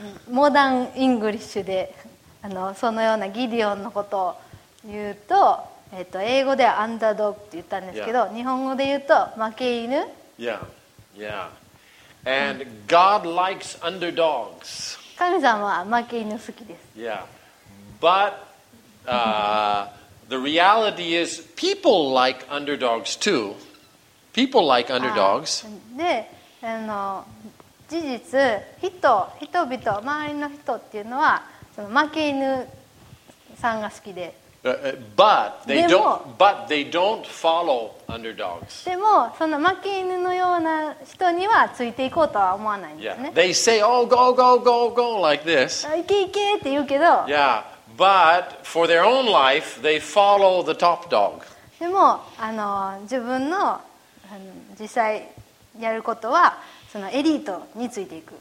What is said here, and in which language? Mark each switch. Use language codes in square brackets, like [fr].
[ja] モダンイングリッシュでそのようなギディオンのことを言うと、英語ではアンダードッグって言ったんですけど、 yeah. 日本語で言うと負け犬。 Yeah, yeah. [en] And God likes underdogs. [ja] 神様は負け犬好きです。 Yeah. [en] But the reality is people like underdogs too. People like underdogs. [ja] で、事実、人々、周りの人っていうのは、その負け犬さんが好きで。 [en] But they don't follow underdogs. [ja] でもその負け犬のような人にはついていこうとは思わないんですね。 [en] They say, "Oh, go, go, go, go," like this. [ja] 行け行けって言うけど。 [en] Yeah, but for their own life, they follow the top dog. [ja] でも自分の実際やることはそのエリートについていく。